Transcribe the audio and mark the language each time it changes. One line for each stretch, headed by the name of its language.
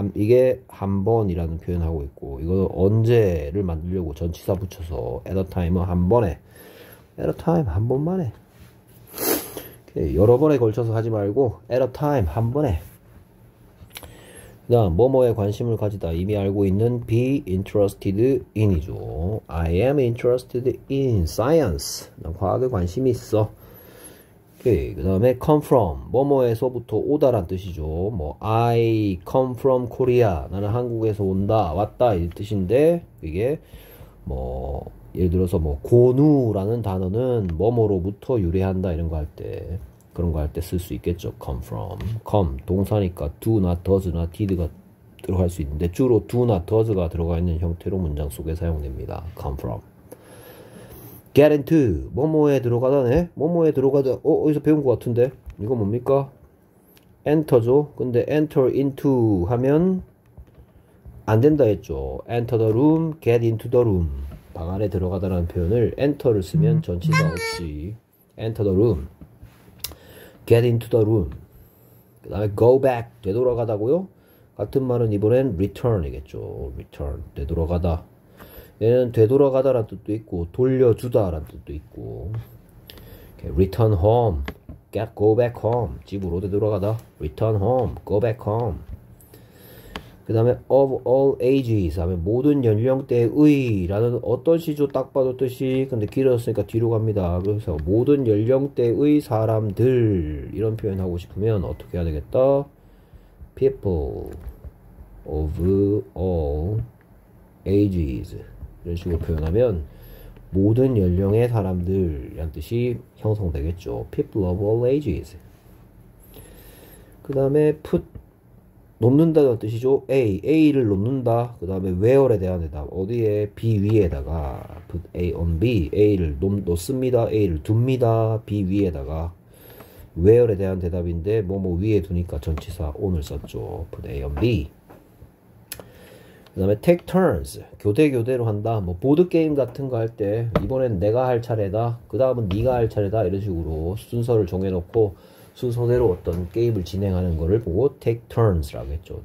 Korean: 이게 한 번이라는 표현하고 있고, 이거 언제를 만들려고 전치사 붙여서
English: at a time
Korean: 은 한 번에.
English: at a time
Korean: 한 번만 해. 여러 번에 걸쳐서 하지 말고 at a time 한 번에. 그다음 뭐뭐에 관심을 가지다, 이미 알고 있는
English: be interested in
Korean: 이죠.
English: I am interested in science.
Korean: 난 과학에 관심이 있어. 오케이. 그다음에
English: come from
Korean: 뭐뭐에서부터 오다란 뜻이죠.
English: 뭐 I come from Korea.
Korean: 나는 한국에서 온다, 왔다 이 뜻인데, 이게 뭐 예를 들어서 뭐 고누라는 단어는 뭐뭐로부터 유래한다 이런 거할 때, 그런 거할때쓸수 있겠죠.
English: come from.
Korean: come 동사니까 do나 does나 did가 들어갈 수 있는데, 주로 do나 does가 들어가 있는 형태로 문장 속에 사용됩니다.
English: come from. get into
Korean: 뭐뭐에 들어가다네. 뭐뭐에 들어가다. 어디서 배운 거 같은데. 이거 뭡니까? 엔터죠. 근데
English: enter into
Korean: 하면 안 된다 했죠.
English: enter the room, get into the room.
Korean: 방 안에 들어가다라는 표현을 enter를 쓰면 전치사 없이
English: enter the room. Get into the room.
Korean: 그 다음에
English: go back.
Korean: 되돌아가다고요? 같은 말은 이번엔 return이겠죠. return. 되돌아가다. 얘는 되돌아가다란 뜻도 있고, 돌려주다란 뜻도 있고.
English: Okay, return home. Get go back home.
Korean: 집으로 되돌아가다.
English: Return home. Go back home.
Korean: 그 다음에
English: of all ages
Korean: 하면 모든 연령대의라는 어떤 시죠? 딱 봐도 뜻이, 근데 길어졌으니까 뒤로 갑니다. 그래서 모든 연령대의 사람들 이런 표현하고 싶으면 어떻게 해야 되겠다?
English: People of all ages
Korean: 이런 식으로 표현하면 모든 연령의 사람들이란 뜻이 형성되겠죠.
English: People of all ages.
Korean: 그 다음에 put 놓는다는 뜻이죠. A를 놓는다. 그 다음에 where에 대한 대답. 어디에?
English: B 위에다가 put A on B.
Korean: A를 놓습니다. A를 둡니다. B 위에다가 where에 대한 대답인데, 뭐뭐 위에 두니까 전치사 on을 썼죠.
English: put A on B.
Korean: 그 다음에
English: take turns.
Korean: 교대교대로 한다. 뭐 보드게임 같은 거할 때, 이번엔 내가 할 차례다, 그 다음은 네가 할 차례다, 이런 식으로 순서를 정해놓고 순서대로 어떤 게임을 진행하는 거를 보고 take turns라고 했죠.